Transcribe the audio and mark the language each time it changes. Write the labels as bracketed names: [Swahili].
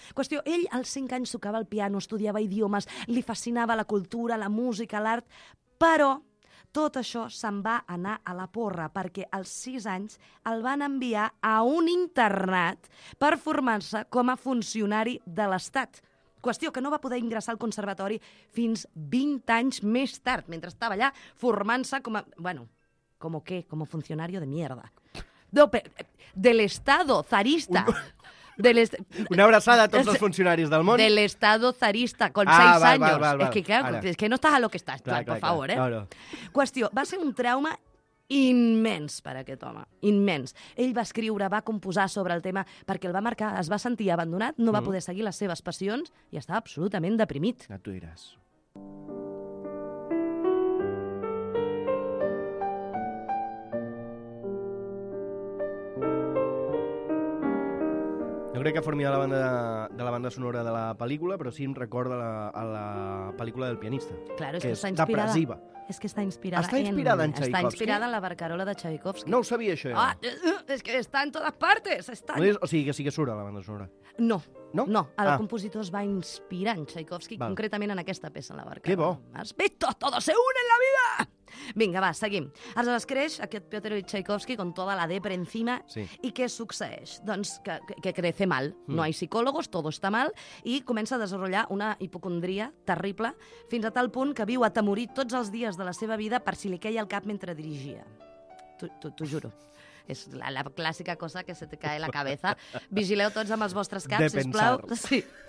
[Catalan] Qüestió, ell als 5 anys tocava el piano, estudiava idiomes, li fascinava la cultura, la música, l'art, però tot això se'n va anar a la porra perquè als 6 anys el van enviar a un internat per formar-se com a funcionari de l'Estat. Qüestió que no va poder ingressar al conservatori fins 20 anys més tard, mentre estava allà formant-se com a... Bueno, com a què? Com a funcionari de mierda. De l'Estado zarista. Una abraçada a tots els funcionaris del món. [Spanish] Del Estado zarista, con 6 años. [Catalan] És que no estàs a lo que estàs, per favor. [Spanish] Claro. [Catalan] Qüestió, va ser un trauma immens per a aquest home, immens. Ell va escriure, va composar sobre el tema, perquè el va marcar, es va sentir abandonat, no va poder seguir les seves passions i estava absolutament deprimit. Ja t'ho diràs. No No crec que formi de la banda, de la banda sonora de la pel·lícula, però sí em recorda la, a la pel·lícula del pianista. [Spanish] Claro, que [Catalan] és inspirada... depressiva. És que està inspirada, està inspirada en Tchaikovsky. Està inspirada en la barcarola de Tchaikovsky. No ho sabia, això. Ah, és que està en totes partes. Està... O sigui, que sí que surt a la banda sonora. No. No? No. El compositor es va inspirar en Tchaikovsky, va, concretament en aquesta peça, en la barcarola. Que bo. [Spanish] Has visto, todo se une en la vida. [Catalan] Vinga, va, seguim. Aleshores creix aquest Piotr Ilyich Tchaikovsky [Spanish] con toda la depre encima. [Catalan] Sí. I què succeeix? Doncs que [Spanish] crece mal. [Catalan] Mm. [Spanish] No hay psicólogos, todo está mal. [Catalan] I comença a desenvolupar una hipocondria terrible, fins a tal punt que viu atemorit tots els dies de la seva vida per si li queia el cap mentre dirigia. T'ho juro. És la clàssica cosa que [Spanish] se te cae la cabeza. [Catalan] Vigileu tots amb els vostres caps, sisplau. Sí.